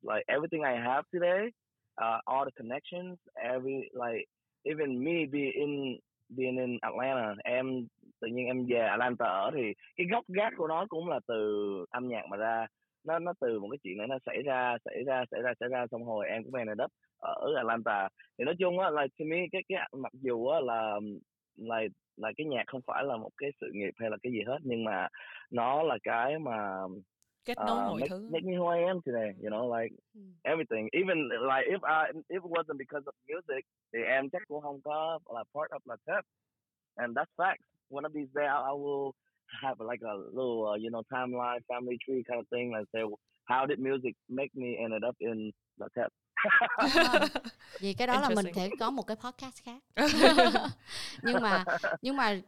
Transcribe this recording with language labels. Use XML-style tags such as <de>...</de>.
<en>Like, everything I have today, all the connections, every, like, even me being in Atlanta,</en> <vi>em, tự nhiên em về Atlanta ở thì cái gốc gác của nó cũng là từ âm nhạc mà ra. Nó từ một cái chuyện này nó xảy ra xong hồi em cũng</vi> <en>ended up</en> <vi>ở Atlanta. Thì nói chung á,</vi> <en>like to me,</en> <vi>cái mặc dù á là cái nhạc không phải là một cái sự nghiệp hay là cái gì hết, nhưng mà nó là cái mà kết nối mọi thứ.</vi> <en>Make me who I am today, you know, like everything. Even like if it wasn't because of music,</en> <vi>thì em chắc cũng không có là</vi> <en>part of the trip. And that's fact. One of these days, I will have like a little, you know, timeline, family tree kind of thing, and say, how did music make me ended up in the trip?</en> <vi>Vì cái đó là mình thể có một cái podcast khác. nhưng mà yeah.</vi>